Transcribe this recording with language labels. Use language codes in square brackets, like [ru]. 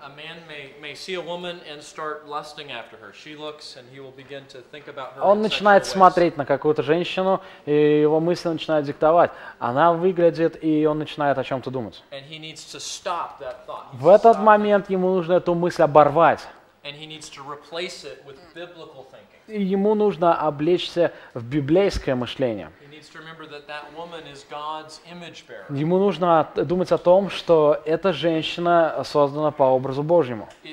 [en] A man may see a woman and start lusting after her. She looks and he will begin to think about her. [ru] Он начинает смотреть на какую-то женщину, и его мысли начинают диктовать. Она выглядит, и он начинает о чем-то думать. [en] And he needs to stop that thought. [ru] В этот момент ему нужно эту мысль оборвать. [en] And he needs to replace it with biblical thinking. [ru] И ему нужно облечься в библейское мышление. Ему нужно думать о том, что эта женщина создана по образу Божьему.